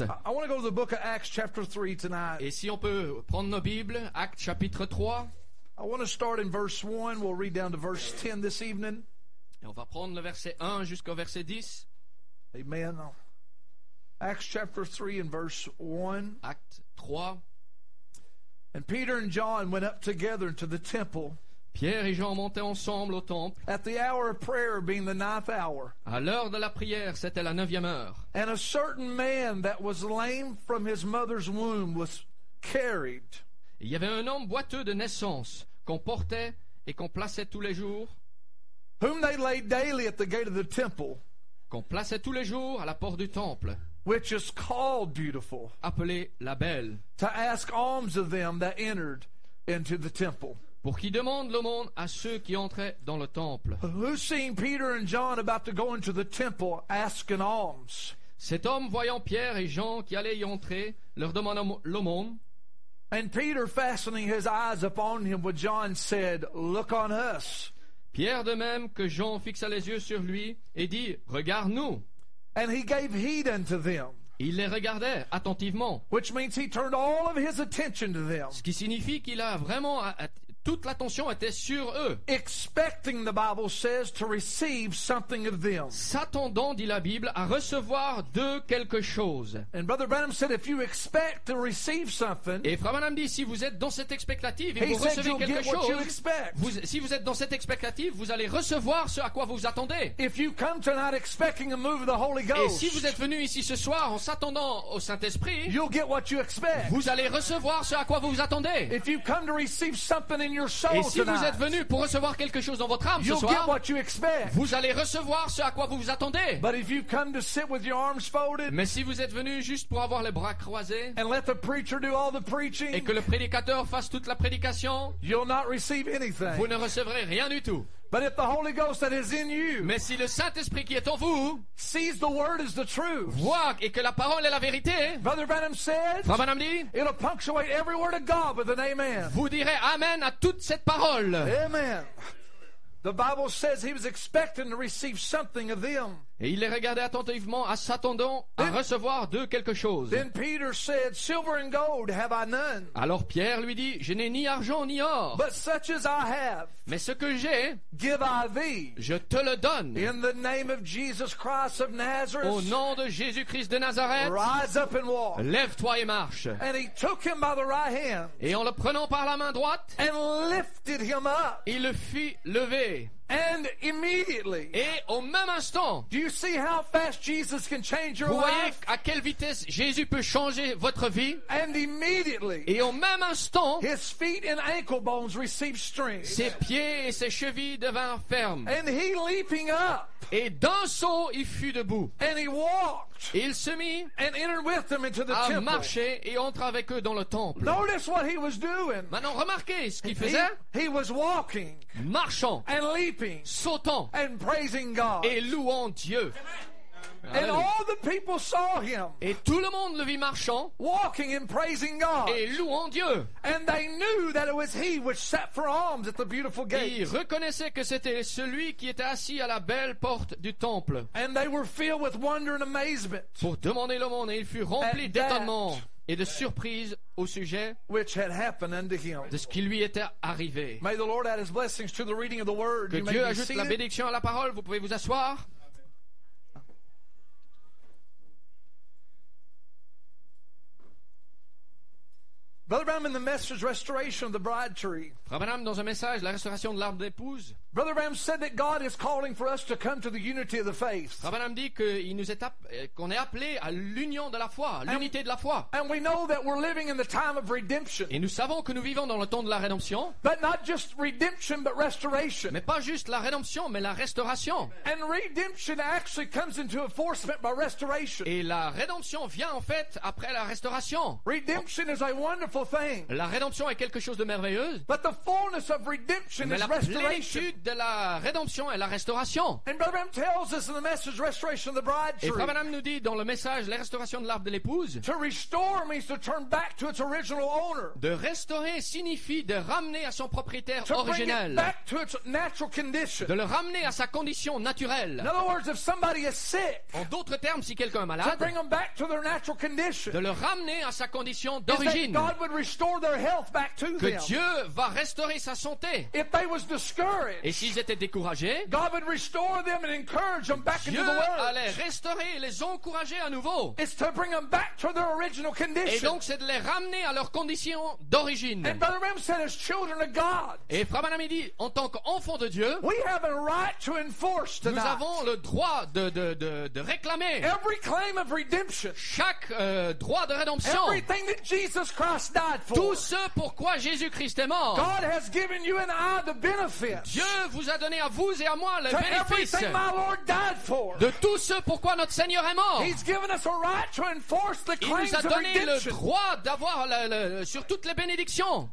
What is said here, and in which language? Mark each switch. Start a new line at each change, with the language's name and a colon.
English: I want to go to the book of Acts chapter 3 tonight.
French: Et si on peut prendre nos Bibles, Actes chapitre 3.
English: I want to start in verse 1. We'll read down to verse 10 this evening.
French: Et on va prendre le verset 1 jusqu'au verset 10.
English: Amen. Acts chapter 3 and verse 1.
French: Acte 3.
English: And Peter and John went up together into the temple.
French: Pierre et Jean montaient ensemble au temple.
English: At the hour of prayer being the ninth hour.
French: À l'heure de la prière, c'était la neuvième heure.
English: And a certain man that was lame from his mother's womb was carried.
French: Il y avait un homme boiteux de naissance qu'on portait et qu'on plaçait tous les jours.
English: Whom they laid daily at the gate of the temple.
French: Qu'on plaçait tous les jours à la porte du temple.
English: Which is called beautiful.
French: Appelé la belle.
English: To ask alms of them that entered into the temple.
French: Pour qu'ils demandent l'aumône à ceux qui entraient dans le temple.
English: Who seeing Peter and John about to go into the temple asking alms?
French: Cet homme voyant Pierre et Jean qui allaient y entrer, leur demanda l'aumône.
English: And Peter fastening his eyes upon him with John said, look on us.
French: Pierre de même que Jean fixa les yeux sur lui et dit, regarde-nous.
English: And he gave heed unto them.
French: Il les regardait attentivement.
English: Which means he turned all of his attention to them.
French: Ce qui signifie qu'il a vraiment toute l'attention était sur eux.
English: Expecting, the Bible says, to receive something of them.
French: S'attendant, dit la Bible, à recevoir d'eux quelque chose.
English: And Brother Branham said, if you expect to receive something,
French: et Frère Branham dit, si vous êtes dans cette expectative et vous recevez quelque chose, si vous êtes dans cette expectative, vous allez recevoir ce à quoi vous attendez.
English: If you come tonight expecting a move of the Holy Ghost,
French: et si vous êtes venu ici ce soir en s'attendant au Saint-Esprit,
English: you'll get what you expect.
French: Vous allez recevoir ce à quoi vous attendez.
English: If you come to receive something in your soul
French: et si
English: tonight,
French: vous êtes venu pour recevoir quelque chose dans votre âme ce soir,
English: get what you expect.
French: Vous allez recevoir ce à quoi vous vous attendez.
English: But if you come to sit with your arms folded,
French: mais si vous êtes venu juste pour avoir les bras croisés,
English: and let the preacher do all the preaching,
French: et que le prédicateur fasse toute la prédication,
English: you'll not receive anything.
French: Vous ne recevrez rien du tout.
English: But if the Holy Ghost that is in you,
French: mais si le Saint-Esprit qui est en vous,
English: sees the word as the truth,
French: voit et que la parole est la vérité,
English: Brother Branham says,
French: Frère Branham dit,
English: it'll punctuate every word of God with an amen.
French: Vous direz amen à toute cette parole.
English: Amen. The Bible says he was expecting to receive something of them.
French: Et il les regardait attentivement, à s'attendant à recevoir d'eux quelque chose.
English: Then Peter said, silver and gold have I none.
French: Alors Pierre lui dit, je n'ai ni argent ni or.
English: But such as I have,
French: mais ce que j'ai,
English: give I thee.
French: Je te le donne.
English: In the name of Jesus Christ of Nazareth,
French: au nom de Jésus-Christ de Nazareth,
English: rise up and walk.
French: Lève-toi et marche.
English: And he took him by the right hand,
French: et en le prenant par la main droite,
English: and lifted him up.
French: Il le fit lever.
English: And immediately,
French: et au même instant,
English: do you see how fast Jesus can change your life?
French: Vous voyez à quelle vitesse Jésus peut changer votre vie?
English: And immediately,
French: et au même instant,
English: his feet and ankle bones received strength.
French: Ses pieds et ses chevilles devinrent fermes.
English: And he leaping up,
French: et d'un saut il fut debout.
English: And he walked,
French: et il se mit,
English: and entered with them into the
French: à
English: temple.
French: Marcher et entre avec eux dans le temple.
English: Notice what he was doing.
French: Maintenant remarquez ce qu'il faisait.
English: He was walking,
French: marchant,
English: and leaping.
French: Sautant
English: and praising God.
French: Et louant Dieu.
English: Amen. And all the people saw him.
French: Et tout le monde le vit marchant.
English: Walking and praising God.
French: Et louant Dieu.
English: And they knew that it was he which sat for alms at the beautiful gate.
French: Et ils reconnaissaient que c'était celui qui était assis à la belle porte du temple.
English: And they were filled with wonder and amazement.
French: Pour demander l'aumône, et ils furent remplis d'étonnement et de surprise au sujet
English: which had happened unto him.
French: De ce qui lui était arrivé.
English: May the Lord add his blessings to the reading of the word.
French: Que Dieu ajoute la bénédiction à la parole. Vous pouvez vous asseoir.
English: Brother Branham, in the message restoration of the bride tree.
French: Brother Branham, dans un message, la restauration de l'arbre d'épouse.
English: Brother Branham said that God is calling for us to come to the unity of the faith.
French: Brother Branham dit que qu'on est appelé à l'union de la foi, l'unité de la foi.
English: And we know that we're living in the time of redemption.
French: Et nous savons que nous vivons dans le temps de la rédemption.
English: But not just redemption, but restoration.
French: Mais pas juste la rédemption, mais la restauration.
English: And redemption actually comes into enforcement by restoration.
French: Et la rédemption vient en fait après la restauration.
English: Redemption is a wonderful.
French: La rédemption est quelque chose de merveilleux.
English: But the fullness of redemption
French: mais
English: is
French: la plénitude de la rédemption est la restauration.
English: And Brother Branham tells us in the message restoration of the bride tree.
French: Et Brother Branham nous dit dans le message la restauration de l'arbre de l'épouse.
English: To restore means to turn back to its original owner.
French: De restaurer signifie de ramener à son propriétaire originel.
English: To bring it back to its natural condition.
French: De le ramener à sa condition naturelle.
English: In other words, if somebody is sick.
French: En d'autres termes, si quelqu'un est malade.
English: To bring them back to their natural condition.
French: De le ramener à sa condition d'origine.
English: God would restore their health back to
French: que
English: them.
French: Dieu va restaurer sa santé.
English: If they was discouraged,
French: et s'ils étaient découragés,
English: God would restore them and encourage them back
French: Dieu
English: into the world.
French: Dieu allait restaurer et les encourager à nouveau.
English: It's to bring them back to their original condition.
French: Et donc c'est de les ramener à leur condition d'origine.
English: And Brother Ram said, as children of God,
French: et Frère Branham dit, en tant qu'enfants de Dieu,
English: we have a right to enforce tonight.
French: Nous avons le droit de réclamer
English: every claim of redemption,
French: chaque droit de rédemption,
English: everything that Jesus Christ
French: tout ce pourquoi Jésus-Christ est mort.
English: God has given you and I the benefits.
French: Dieu vous a donné à vous et à moi le bénéfice.
English: To everything my Lord died for.
French: De tout ce pourquoi notre Seigneur est mort.
English: He's given us a right to enforce the claims of redemption.
French: Il nous a donné le droit d'avoir sur toutes les bénédictions.